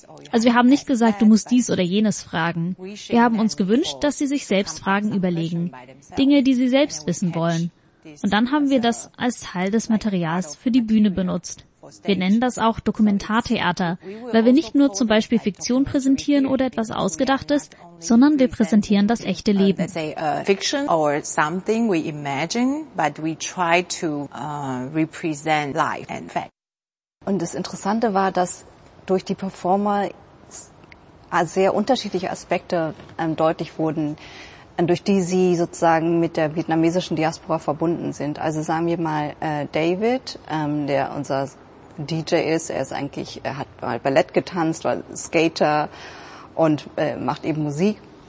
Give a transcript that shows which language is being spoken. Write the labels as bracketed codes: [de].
[de] Also wir haben nicht gesagt, du musst dies oder jenes fragen. Wir haben uns gewünscht, dass sie sich selbst Fragen überlegen, Dinge, die sie selbst wissen wollen. Und dann haben wir das als Teil des Materials für die Bühne benutzt. Wir nennen das auch Dokumentartheater, weil wir nicht nur zum Beispiel Fiktion präsentieren oder etwas Ausgedachtes, sondern wir präsentieren das echte Leben. [en] Fiction or something we imagine, but we try to represent life and fact. [de] Und das Interessante war, dass durch die Performer sehr unterschiedliche Aspekte deutlich wurden, durch die sie sozusagen mit der vietnamesischen Diaspora verbunden sind. Also sagen wir mal David, der unser DJ ist, er ist eigentlich, er hat mal Ballett getanzt, war Skater und macht eben Musik.